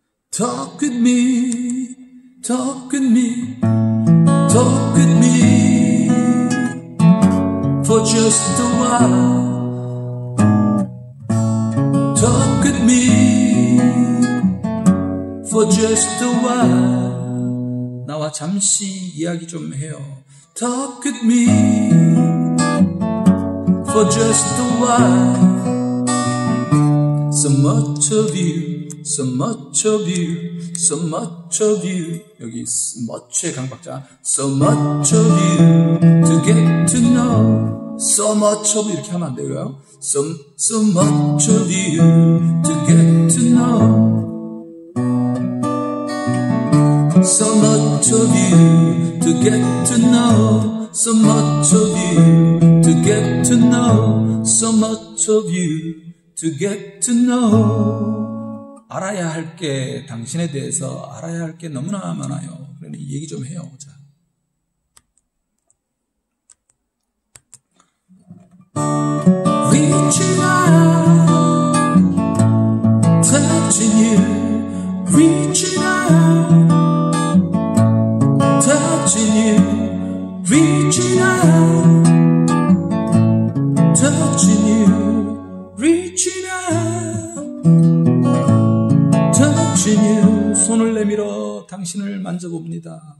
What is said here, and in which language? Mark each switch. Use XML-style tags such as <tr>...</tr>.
<en>Talk with me, talk with me, talk with me for just a while. Talk with me for just a while.</en> <ko>나와 잠시 이야기 좀 해요.</ko> <en>Talk with me. for just a while. So much of you, so much of you, so much of you.</en> <ko>여기 much의 강박자.</ko> <en>So much of you to get to know. So much of you</en> <ko>이렇게 하면 안 돼요.</ko> <en>So much of you to get to know. So much of you to get to know. So much of you to get to know. So much of you to get to know.</en> <ko>알아야 할 게 당신에 대해서 알아야 할 게 너무나 많아요. 그러니 얘기 좀 해요. 자.</ko> <en>Reaching out, touching you. Reaching out, touching you. Reaching out, touching you. Reaching out, touching you.</en> <ko>손을 내밀어 당신을 만져봅니다.</ko>